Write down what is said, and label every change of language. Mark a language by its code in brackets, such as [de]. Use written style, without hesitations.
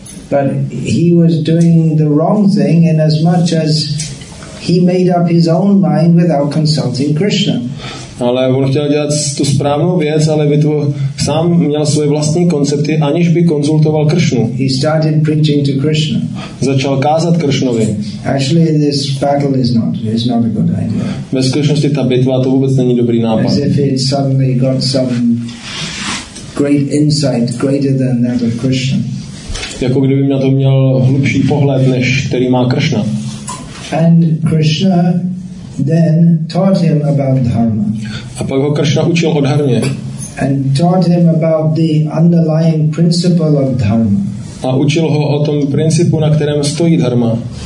[en] But he was doing the wrong thing in as much as he made up his own mind without consulting Krishna. [cs] Ale on chtěl dělat tu správnou věc, ale sám měl svoje vlastní koncepty, aniž by konzultoval Kršnu. [en] He started preaching to Krishna. [cs] Začal kázat Kršnovi. [en] Actually, this battle is not a good idea. [cs] Ve skutečnosti ta bitva to vůbec není dobrý nápad. [en] As if it suddenly got some great insight greater than that of Krishna. [cs] Jako kdyby na to měl hlubší pohled, než který má Kršna. [en] And Krishna then taught him about dharma. [cs] A pak ho Krishna učil o dharmě. [en] And taught him about the underlying principle of dharma. [cs] A učil ho o tom principu, na kterém stojí dharma.